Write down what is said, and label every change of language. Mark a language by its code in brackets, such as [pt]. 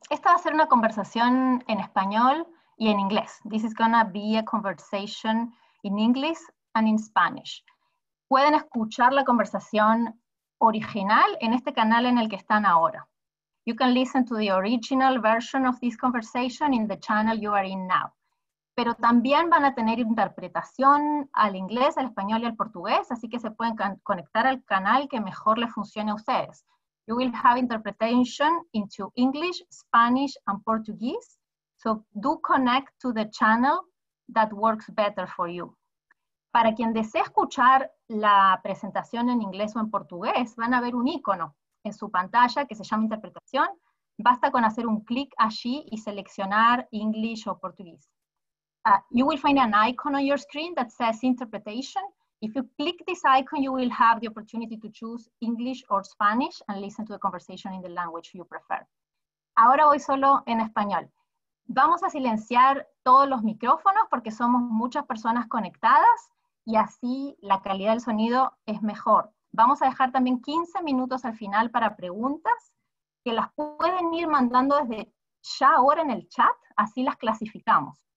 [es] Esta va a ser una conversación en español y en inglés. [en] This is going to be a conversation in English and in Spanish. [es] Pueden escuchar la conversación original en este canal en el que están ahora. [en] You can listen to the original version of this conversation in the channel you are in now. [es] Pero también van a tener interpretación al inglés, al español y al portugués, así que se pueden conectar al canal que mejor les funcione a ustedes. [en] You will have interpretation into English, Spanish, and Portuguese. So do connect to the channel that works better for you. [es] Para quien desee escuchar la presentación en inglés o en portugués, van a ver un icono en su pantalla que se llama interpretación. Basta con hacer un clic allí y seleccionar English o Portuguese. [en] You will find an icon on your screen that says interpretation. If you click this icon, you will have the opportunity to choose English or Spanish and listen to the conversation in the language you prefer. [es] Ahora voy solo en español. Vamos a silenciar todos los micrófonos porque somos muchas personas conectadas y así la calidad del sonido es mejor. Vamos a dejar también 15 minutos al final para preguntas que las pueden ir mandando desde ya ahora en el chat, así las clasificamos.